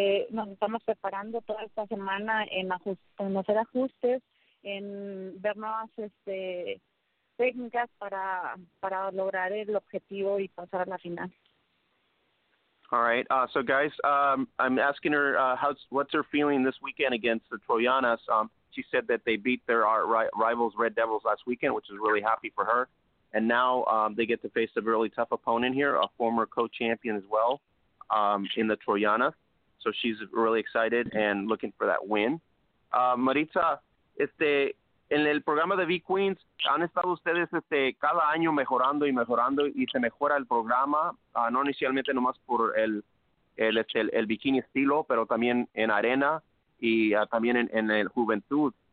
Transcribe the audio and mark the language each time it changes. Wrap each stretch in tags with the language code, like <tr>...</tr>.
<es>Nos estamos preparando toda esta semana en hacer ajustes, en ver nuevas técnicas para lograr el objetivo y pasar a la final.</es> <en>All right. So, guys, I'm asking her what's her feeling this weekend against the Troyanas. She said that they beat their rivals, Red Devils, last weekend, which is really happy for her. And now they get to face a really tough opponent here, a former co-champion as well in the Troyanas. So she's really excited and looking for that win.</en> <es>Maritza, en el programa de V-Queens, han estado ustedes cada año mejorando y mejorando, y se mejora el programa, no inicialmente nomás por el bikini estilo, pero también en arena y también en el juventud.</es>